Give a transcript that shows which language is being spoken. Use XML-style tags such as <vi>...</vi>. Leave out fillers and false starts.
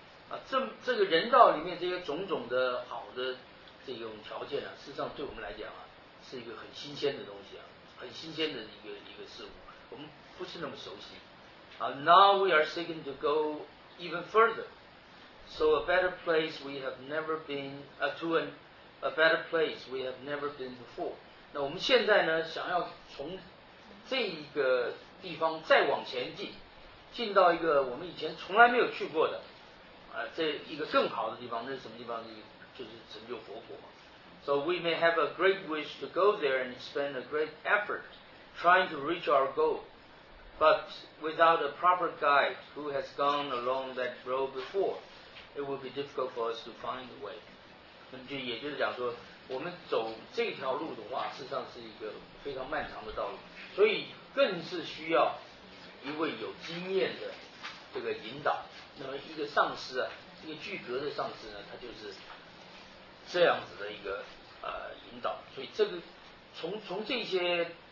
<zh>啊，这个人道里面这些种种的好的这种条件啊，事实上对我们来讲啊，是一个很新鲜的东西啊，很新鲜的一个事物，我们不是那么熟悉。</zh> <en>Now we are seeking to go even further. So a better place we have never been, a better place we have never been before.</en> <zh>那我们现在呢，想要从这一个地方再往前进到一个我们以前从来没有去过的这一个更好的地方。那是什么地方？就是成就佛果。</zh> <en>So we may have a great wish to go there and spend a great effort trying to reach our goal, but without a proper guide who has gone along that road before, it will be difficult for us to find the way.</en> <zh>那么就也就是讲说，我们走这条路的话，事实上是一个非常漫长的道路，所以更是需要一位有经验的这个引导。那么一个上师啊，一个具格的上师呢，他就是这样子的一个引导。所以这个从这些</zh>